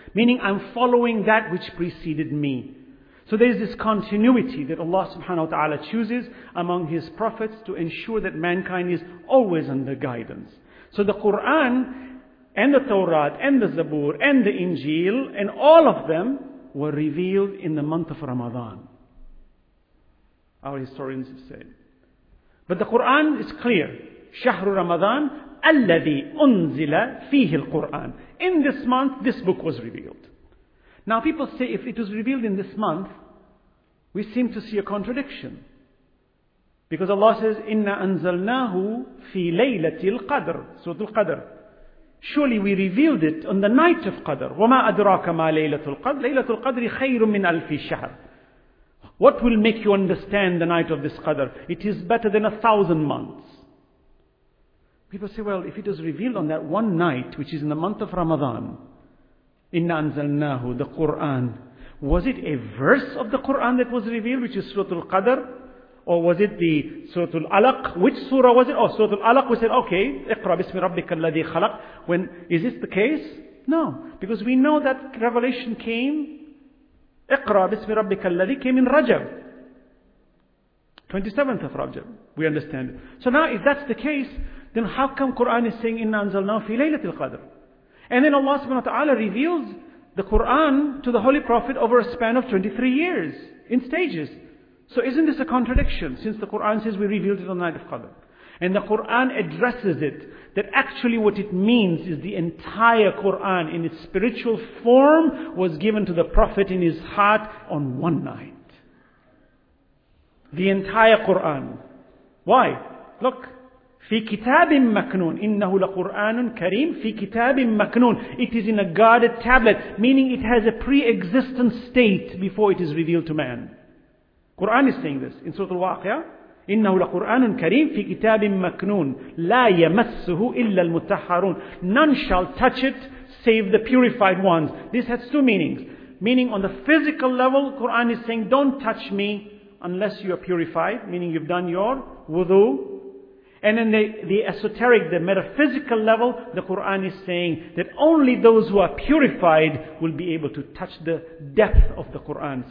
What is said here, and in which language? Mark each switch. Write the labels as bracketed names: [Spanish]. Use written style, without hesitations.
[English] Meaning, I'm following that which preceded me. So there's this continuity that Allah subhanahu wa ta'ala chooses among His prophets to ensure that mankind is always under guidance. So the Quran and the Torah and the Zabur and the Injil and all of them were revealed in the month of Ramadan. Our historians have said. But the Quran is clear. [Arabic] شهر رمضان الذي أنزل فيه القرآن. [English] In this month, this book was revealed. Now people say if it was revealed in this month, we seem to see a contradiction. Because Allah says, [Arabic] إِنَّا أَنزَلْنَاهُ فِي لَيْلَةِ الْقَدْرِ [English] Surah Al-Qadr. Surely we revealed it on the night of Qadr. [Arabic] وَمَا أَدْرَاكَ مَا لَيْلَةُ الْقَدْرِ لَيْلَةُ الْقَدْرِ خَيْرٌ مِّنْ أَلْفِ شَهْرٍ [English] What will make you understand the night of this Qadr? It is better than 1,000 months. People say, well, if it was revealed on that one night, which is in the month of Ramadan, [Arabic] إِنَّا أَنزَلْنَاهُ [English] The Qur'an. Was it a verse of the Qur'an that was revealed, which is Surah Al-Qadr? Or was it the Surah Al-Alaq? Which surah was it? Oh, Surah Al-Alaq. We said, okay, [Arabic] اقرأ بسم ربك الذي خلق. [English] When is this the case? No. Because we know that revelation came, [Arabic] اقرأ بسم ربك الذي [English] came in Rajab. 27th of Rajab. We understand. So now if that's the case, then how come Quran is saying, [Arabic] إِنَّا أَنزَلْنَاهُ فِي لَيْلَةِ الْقَدْرِ [English] And then Allah subhanahu wa ta'ala reveals the Quran to the Holy Prophet over a span of 23 years in stages. So isn't this a contradiction, since the Qur'an says we revealed it on the night of Qadr? And the Qur'an addresses it, that actually what it means is the entire Qur'an in its spiritual form was given to the Prophet in his heart on one night. The entire Qur'an. Why? Look. [Arabic] فِي كِتَابٍ مَكْنُونَ إِنَّهُ لَقُرْآنٌ كَرِيمٌ فِي كِتَابٍ مَكْنُونَ [English] It is in a guarded tablet, meaning it has a pre-existent state before it is revealed to man. Quran is saying this in Surah Al-Waqi'ah. [Arabic] إِنَّهُ لَقُرْآنٌ كَرِيمٌ فِي كِتَابٍ مَكْنُونَ لَا يَمَسُّهُ إِلَّا الْمُتَحَّرُونَ [English] None shall touch it save the purified ones. This has two meanings. Meaning on the physical level, Quran is saying, don't touch me unless you are purified, meaning you've done your wudu. And in the esoteric, the metaphysical level, the Quran is saying that only those who are purified will be able to touch the depth of the Quran.